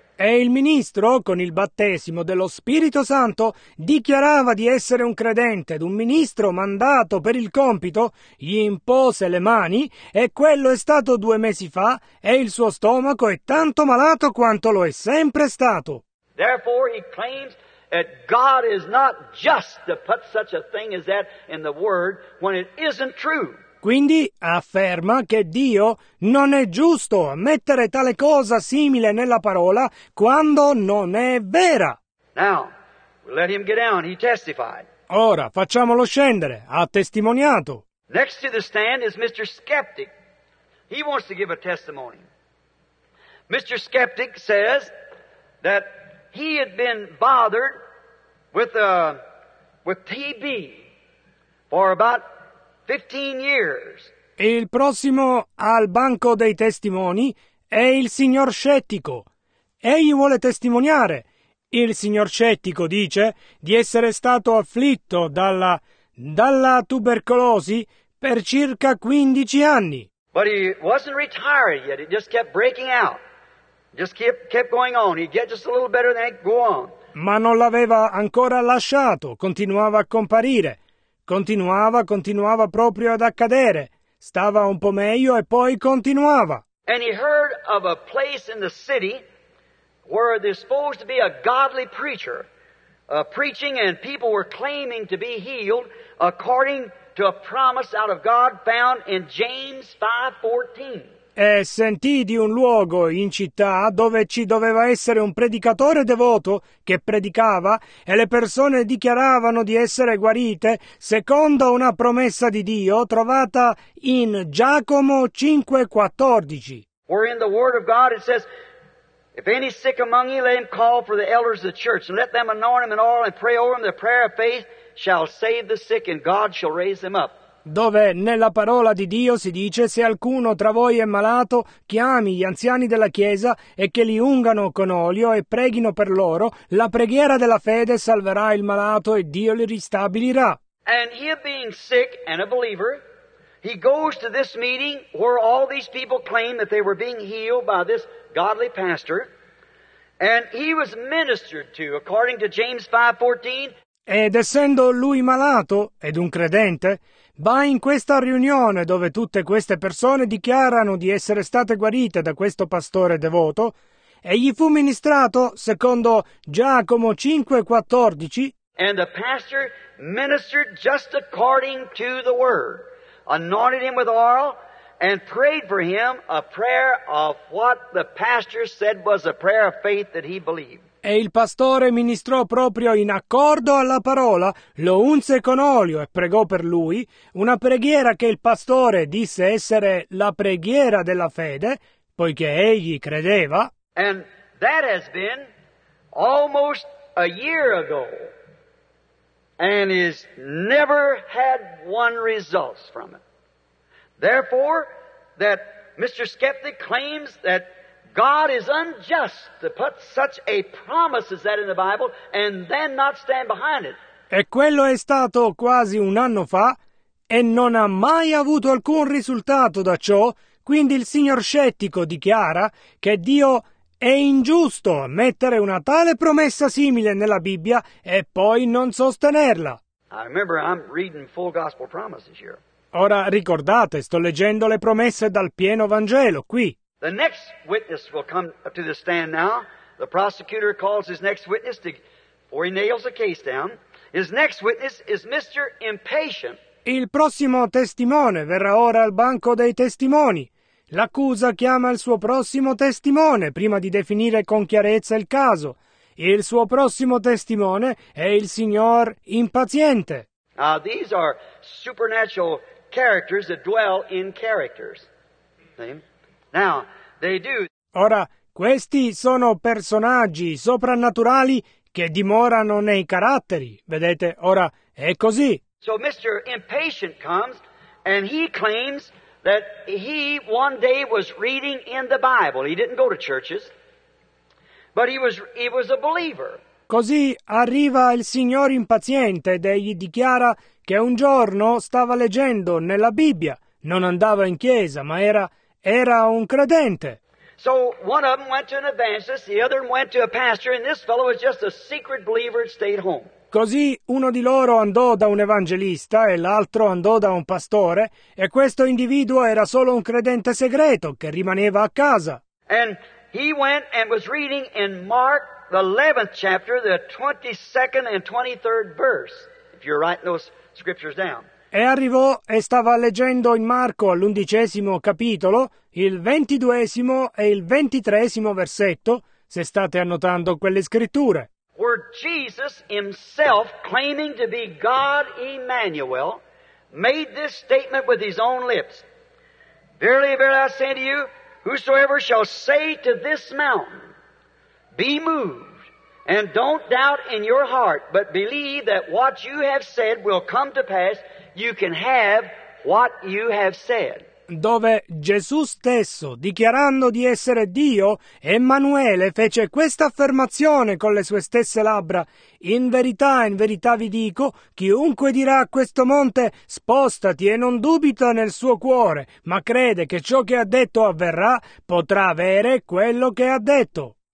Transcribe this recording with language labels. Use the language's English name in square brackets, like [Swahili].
[Italian] E il ministro, con il battesimo dello Spirito Santo, dichiarava di essere un credente ed un ministro mandato per il compito, gli impose le mani e quello è stato 2 mesi fa e il suo stomaco è tanto malato quanto lo è sempre stato. [English] Therefore he claims that God is not just to put such a thing as that in the word when it isn't true. [Italian] Quindi afferma che Dio non è giusto a mettere tale cosa simile nella parola quando non è vera. [English] Now, let him get down. He testified. [Italian] Ora, facciamolo scendere. Ha testimoniato. [English] Next to the stand is Mr. Skeptic. He wants to give a testimony. Mr. Skeptic says that he had been bothered with TB for about 15 years. [Italian] Il prossimo al banco dei testimoni è il signor scettico. Egli vuole testimoniare. Il signor scettico dice di essere stato afflitto dalla tubercolosi per circa 15 anni. [English] But he wasn't retired yet. He just kept breaking out. Just kept going on. He'd get just a little better and go on. [Italian] Ma non l'aveva ancora lasciato. Continuava a comparire. Continuava proprio ad accadere. Stava un po' meglio e poi continuava. [English] And he heard of a place in the city where there's supposed to be a godly preacher preaching, and people were claiming to be healed according to a promise out of God found in James 5:14. [Italian] E sentì di un luogo in città dove ci doveva essere un predicatore devoto che predicava, e le persone dichiaravano di essere guarite secondo una promessa di Dio trovata in Giacomo 5:14. [English] Where in the Word of God it says, if any sick among you, let him call for the elders of the church, and let them anoint him in oil, and pray over him, the prayer of faith shall save the sick, and God shall raise him up. [Italian] Dove nella parola di Dio si dice, se alcuno tra voi è malato, chiami gli anziani della chiesa, e che li ungano con olio, e preghino per loro, la preghiera della fede salverà il malato, e Dio li ristabilirà. [English] And he being sick, and a believer, he goes to this meeting, where all these people claim that they were being healed by this godly pastor, and he was ministered to according to James 5:14. [Italian] Ed essendo lui malato ed un credente, va in questa riunione dove tutte queste persone dichiarano di essere state guarite da questo pastore devoto, e gli fu ministrato secondo Giacomo 5:14. [English] And the pastor ministered just according to the word, anointed him with oil, and prayed for him a prayer of what the pastor said was a prayer of faith that he believed. [Italian] E il pastore ministrò proprio in accordo alla parola, lo unse con olio e pregò per lui, una preghiera che il pastore disse essere la preghiera della fede, poiché egli credeva. [English] And that has been almost a year ago, and has never had one result from it. Therefore, that Mr. Skeptic claims that God is unjust to put such a promise as that in the Bible and then not stand behind it. [Italian] E quello è stato quasi un anno fa e non ha mai avuto alcun risultato da ciò. Quindi il signor scettico dichiara che Dio è ingiusto a mettere una tale promessa simile nella Bibbia e poi non sostenerla. [English] I remember I'm reading full gospel promises here. [Italian] Ora ricordate, sto leggendo le promesse dal pieno Vangelo qui. [English] The next witness will come to the stand now. The prosecutor calls his next witness before he nails the case down. His next witness is Mr. Impatient. [Italian] Il prossimo testimone verrà ora al banco dei testimoni. L'accusa chiama il suo prossimo testimone prima di definire con chiarezza il caso. Il suo prossimo testimone è il signor Impaziente. [English] These are supernatural characters that dwell in characters. Now, they do. [Italian] Ora, questi sono personaggi soprannaturali che dimorano nei caratteri. Vedete, ora è così. [English] So Mr. Impatient comes and he claims that he one day was reading in the Bible. He didn't go to churches, but he was a believer. [Italian] Così arriva il signor impaziente ed egli dichiara che un giorno stava leggendo nella Bibbia. Non andava in chiesa, ma era un credente. [English] So one of them went to an evangelist, the other went to a pastor, and this fellow was just a secret believer and stayed home. [Italian] Così uno di loro andò da un evangelista e l'altro andò da un pastore, e questo individuo era solo un credente segreto che rimaneva a casa. [English] And he went and was reading in Mark the 11th chapter, the 22nd and 23rd verse, if you're writing those scriptures down. [Italian] E arrivò e stava leggendo in Marco all'undicesimo capitolo, il 22° e il 23° versetto, se state annotando quelle scritture. [English] Where Jesus himself, claiming to be God Emmanuel, made this statement with his own lips. Verily, verily, I say to you, whosoever shall say to this mountain, be moved, and don't doubt in your heart, but believe that what you have said will come to pass, you can have what you have said. [Italian] dove Gesù stesso, dichiarando di essere Dio, Emanuele, fece questa affermazione con le sue stesse labbra: in verità vi dico, chiunque dirà a questo monte, spostati e non dubita nel suo cuore, ma crede che ciò che ha detto avverrà, potrà avere quello che ha detto.